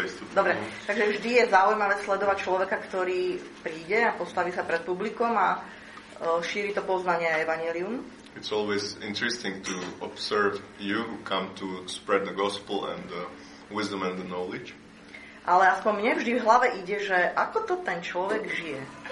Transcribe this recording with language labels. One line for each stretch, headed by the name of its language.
Slovak: Dobre, takže vždy je zaujímavé sledovať človeka, ktorý príde a postaví sa pred publikom a šíri to poznanie a evanjelium.
English: It's always interesting to observe you who come to spread the gospel and the wisdom and the knowledge.
Slovak: Ale aspoň mne vždy v hlave ide, že ako to ten človek žije.